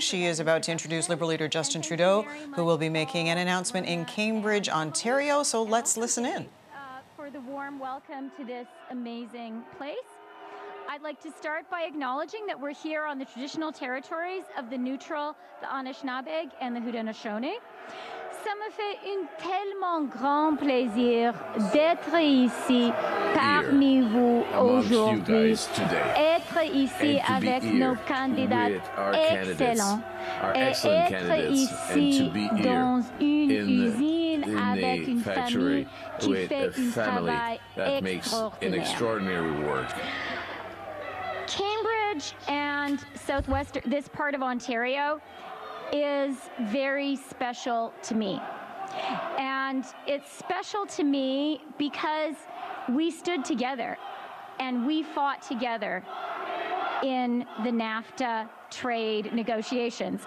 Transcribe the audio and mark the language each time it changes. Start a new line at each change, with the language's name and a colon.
English: She is about to introduce Liberal leader Justin Trudeau, who will be making an announcement in Cambridge, Ontario. So let's listen in. For the warm welcome to this amazing place, I'd like to start by acknowledging that we're here on the traditional territories of the Neutral, the Anishinaabe, and the Haudenosaunee.
French: Ça me fait un tellement grand plaisir d'être ici parmi vous aujourd'hui. Être ici avec nos candidats excellents. Et être ici dans une usine avec une famille qui fait un travail extraordinaire.
English: Cambridge and Southwestern, this part of Ontario, is very special to me. And it's special to me because we stood together and we fought together in the NAFTA trade negotiations.